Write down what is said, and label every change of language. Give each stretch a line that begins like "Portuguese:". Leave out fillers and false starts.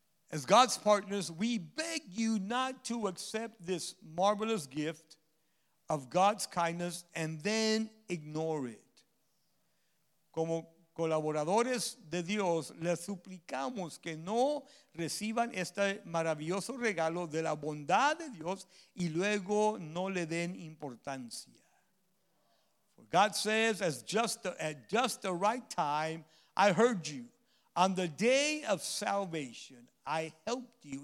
English: As God's partners, we beg you not to accept this marvelous gift of God's kindness and then ignore it.
Spanish: Como colaboradores de Dios, les suplicamos que no reciban este maravilloso regalo de la bondad de Dios y luego no le den importancia.
English: For God says, at just the right time, I heard you. On the day of salvation, I helped you.